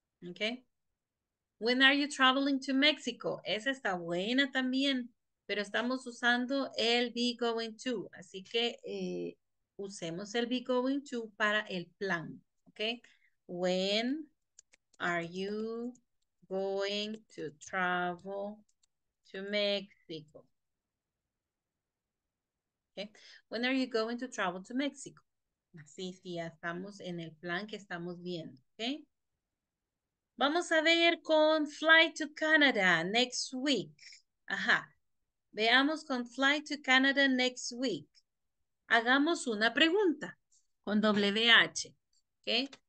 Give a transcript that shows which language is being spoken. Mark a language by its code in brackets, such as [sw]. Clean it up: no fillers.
[en] Okay. When are you traveling to Mexico? [es] Esa está buena también, pero estamos usando el [en] be going to. [es] Así que usemos el [en] be going to [es] para el plan. [en] Okay. When are you going to travel to Mexico? Okay. When are you going to travel to Mexico? [es] Así, sí, ya estamos en el plan que estamos viendo. [en] Okay. [es] Vamos a ver con [en] fly to Canada next week. [es] Ajá. Veamos con [en] fly to Canada next week. [es] Hagamos una pregunta con WH. ¿Okay?